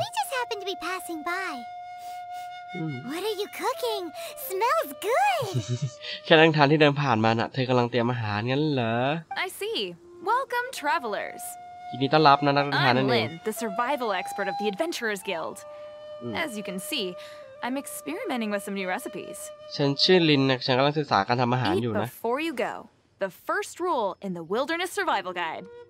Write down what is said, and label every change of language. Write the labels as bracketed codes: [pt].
[en] we just happen to be passing byWhat are you cooking? Smells good. [th] แค่นั่งทานที่เดินผ่านมาน่ะเธอกำลังเตรียมอาหารงั้นเหรอ [en] I see. Welcome travelers. [th] ยินดีต้อนรับนะนักเดินทางนั่นเอง [en] I'm Lynn, the survival expert of the Adventurers Guild. As you can see, I'm experimenting with some new recipes. [th] ฉันชื่อลินนะฉันกำลังศึกษาการทำอาหารอยู่นะ [en] Eat before you go. The first rule in the Wilderness Survival Guide.